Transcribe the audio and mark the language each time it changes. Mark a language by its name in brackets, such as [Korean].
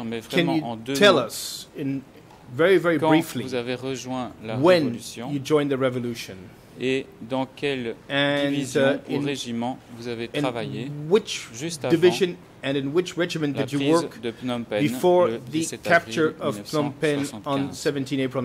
[English] Can you tell us, in very, very briefly, when you joined the revolution? [French] Et dans quelle division ou régiment vous avez travaillé juste avant [English] and in which regiment did you work before the capture of Phnom Penh on 17